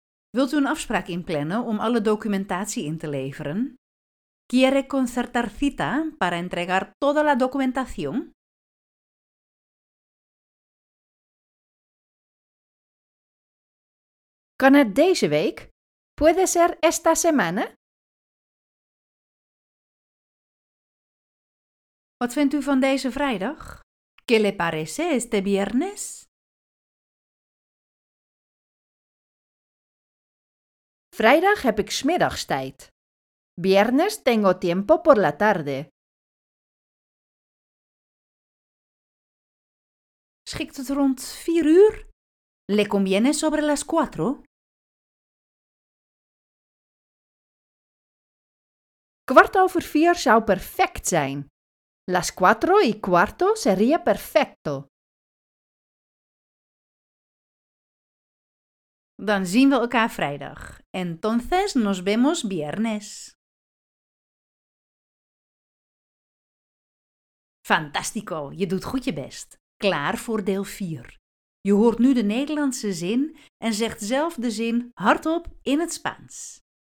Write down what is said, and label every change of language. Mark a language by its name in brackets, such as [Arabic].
[Dutch] Wilt u een afspraak inplannen om alle documentatie in te leveren? [Spanish] ¿Quiere concertar cita para entregar toda la documentación? [Dutch] ¿Kan het deze week? [Spanish] ¿Puede ser esta semana? [Dutch] ¿Wat vindt u van deze vrijdag? [Spanish] ¿Qué le parece este viernes? [Dutch] Vrijdag heb ik 's middags tijd. [Spanish] Viernes tengo tiempo por la tarde. [Dutch] Schikt het rond 4:00? [Spanish] ¿Le conviene sobre las 4? [Dutch] Kwart over 4 zou perfect zijn. [Spanish] Las 4 y cuarto sería perfecto. [Dutch] Dan zien we elkaar vrijdag. [Spanish] Entonces nos vemos viernes. [Dutch] Fantástico, je doet goed je best. Klaar voor deel 4. Je hoort nu de Nederlandse zin en zegt zelf de zin hardop in het Spaans.